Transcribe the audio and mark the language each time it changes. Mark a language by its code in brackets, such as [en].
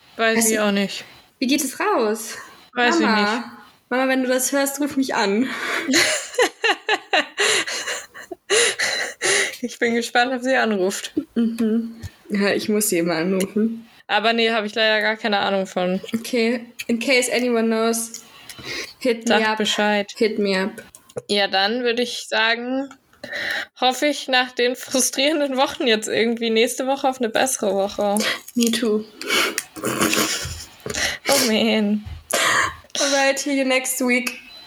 [de] Weiß ich auch nicht. Wie geht es raus? Weiß ich nicht. Mama, wenn du das hörst, ruf mich an. Ich bin gespannt, ob sie anruft. Mhm. Ja, ich muss sie immer anrufen. Aber nee, habe ich leider gar keine Ahnung von. [en] Okay, in case anyone knows, hit me up. [de] Sag Bescheid. [en] Hit me up. [de] Ja, dann würde ich sagen, hoffe ich nach den frustrierenden Wochen jetzt irgendwie nächste Woche auf eine bessere Woche. [en] Me too. [de] Oh man. [en] Alright, see you next week.